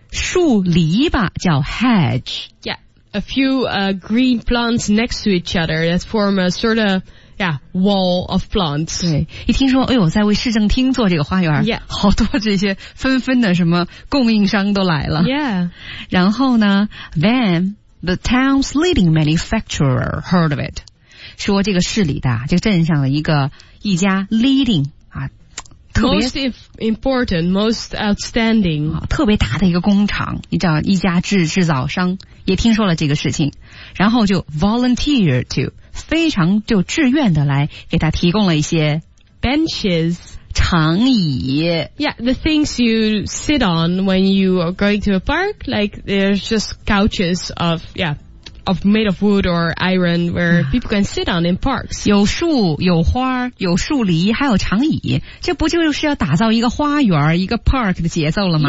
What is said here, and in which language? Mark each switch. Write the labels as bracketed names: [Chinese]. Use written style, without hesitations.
[Chinese] 树篱笆叫 hedge。 [English] Yeah， a few green plants next to each other that form a sort of Yeah, wall of plants. [Chinese] 对，一听说，哎呦，在为市政厅做这个花园， [English] yeah. [Chinese] 好多这些纷纷的什么供应商都来了。 [English] Yeah. [Chinese] 然后呢 [English] ，then the town's leading manufacturer heard of it. [Chinese] 说这个市里的，这个镇上的一家 leading 啊，特别 [English] most important, most outstanding [Chinese] 啊，特别大的一个工厂，你知道，一家制造商也听说了这个事情，然后就 [English] volunteer to。 [Chinese] 非常就志愿的来给他提供了一些 [English] benches [Chinese] 长椅 [English] yeah the things you sit on when you are going to a park like there's just couches of yeah of made of wood or iron where people can sit on in parks [Chinese] 有树有花有树篱还有长椅这不就是要打造一个花园一个 park 的节奏了吗